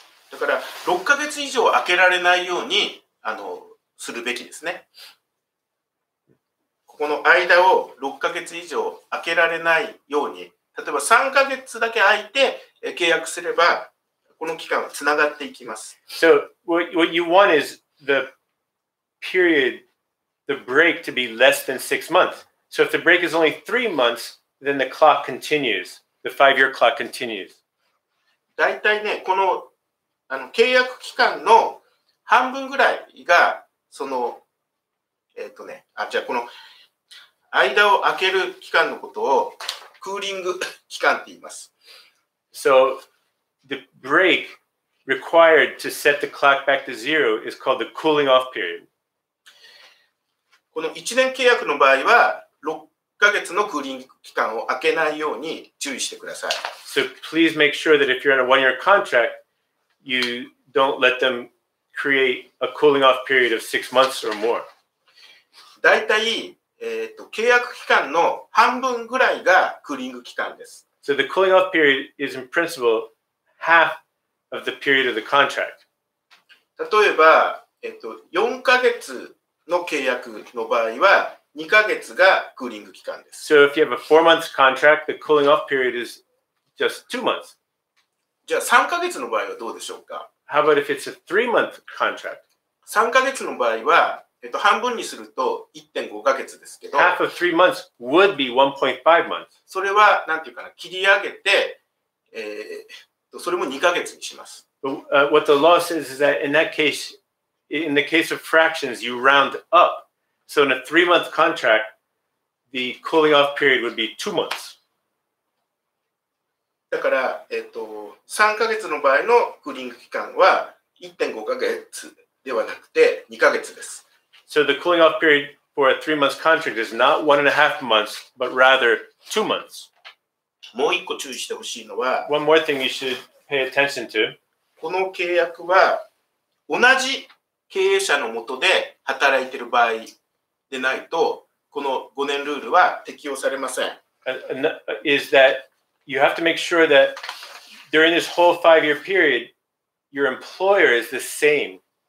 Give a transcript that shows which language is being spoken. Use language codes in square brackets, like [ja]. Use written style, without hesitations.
[ja] だから6ヶ月以上空けられないようにあのするべきですね。ここの間を6ヶ月以上空けられないように、例えば3ヶ月だけ空いて契約すれば、この期間はつながっていきます。 [en] So, what you want is the period, the break to be less than 6 months. So, if the break is only 3 months, then the clock continues. The five-year clock continues. [ja] だいたいね、このあの契約期間の半分ぐらいがそのじゃあこの間を空ける期間のことをクーリング期間って言います。 [en] So the break required to set the clock back to zero is called the cooling off period. [ja] この1年契約の場合は6ヶ月のクーリング期間を空けないように注意してください。 [en] So please make sure that if you're in a one-year contract, you don't let them create a cooling off period of 6 months or more. [ja] だいたい契約期間の半分ぐらいがクーリング期間です。 [en] So the cooling off period is in principle half of the period of the contract. [ja] 例えば、4ヶ月の契約の場合は2ヶ月がクーリング期間です。 [en] So if you have a 4-month contract, the cooling off period is just 2 months. [ja] じゃあ3ヶ月の場合はどうでしょうか? [en] How about if it's a 3-month contract? [ja] 3ヶ月の場合は半分にすると 1.5 ヶ月ですけど [en] Half of 3 months would be 1.5 months. [ja] それはなんていうかな、切り上げて、それも2ヶ月にします。 [en] What the law says is that in that case, in the case of fractions, you round up. So in a 3-month contract, the cooling off period would be 2 months. [ja] だから、3ヶ月の場合のクーリング期間は 1.5 ヶ月ではなくて2ヶ月です。 [en] So the cooling off period for a 3-month contract is not 1.5 months, but rather 2 months. [ja] もう一個注意してほしいのは、 [en] One more thing you should pay attention to. [ja] この契約は同じ経営者の下で働いている場合でないと、この5年ルールは適用されません。 [en] Is that you have to make sure that during this whole 5-year period, your employer is the same.